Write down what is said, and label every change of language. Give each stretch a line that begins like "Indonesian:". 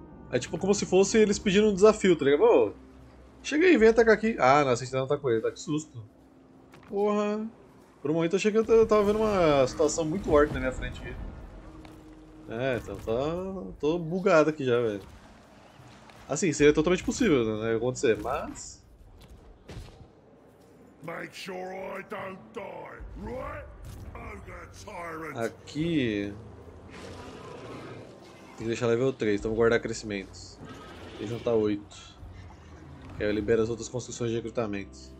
Portuguese: É tipo como se fosse eles pedindo um desafio, tá ligado? Ô, chega aí, vem atacar aqui. Ah, não, a sentinela tá com ele, tá, que susto. Porra. Por um momento eu achei que eu tava vendo uma situação muito orc na minha frente aqui. É, então tá. Tô bugado aqui já, velho. Assim, seria totalmente possível, né? Acontecer, mas.
English: Make sure I don't die, right?
Portuguese: Ogre Tyrant! Aqui. Tem que deixar level 3, então vou guardar crescimentos. E juntar 8. Que aí eu libero as outras construções de recrutamento.